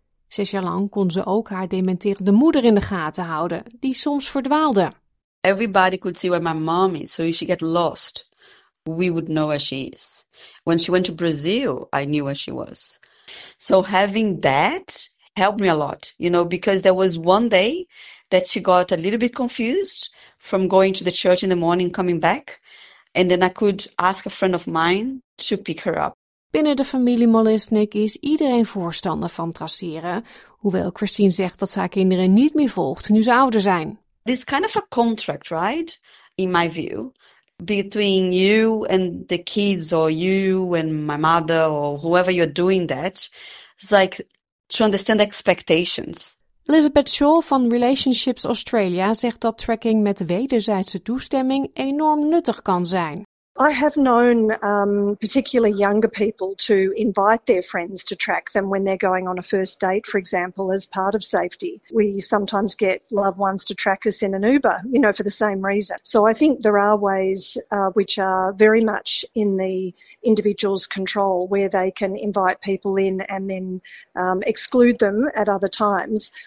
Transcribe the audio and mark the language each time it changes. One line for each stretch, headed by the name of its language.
Dutch: 6 jaar lang kon ze ook haar dementerende moeder in de gaten houden, die soms verdwaalde.
English: Everybody could see where my mom is. So if she gets lost, we would know where she is. When she went to Brazil, I knew where she was. So having that helped me a lot, you know, because there was one day that she got a little bit confused from going to the church in the morning, coming back, and then I could ask a friend of mine to pick her up.
Dutch: Binnen de familie Molisnik is iedereen voorstander van traceren, hoewel Christine zegt dat ze haar kinderen niet meer volgt nu ze ouder zijn.
English: This kind of a contract, right, in my view, between you and the kids or you and my mother or whoever you're doing that, it's like to understand expectations.
Dutch: Elizabeth Shaw van Relationships Australia zegt dat tracking met wederzijdse toestemming enorm nuttig kan zijn.
English: I have known particularly younger people to invite their friends to track them when they're going on a first date, for example, as part of safety. We sometimes get loved ones to track us in an Uber, you know, for the same reason. So I think there are ways which are very much in the individual's control where they can invite people in and then exclude them at other times.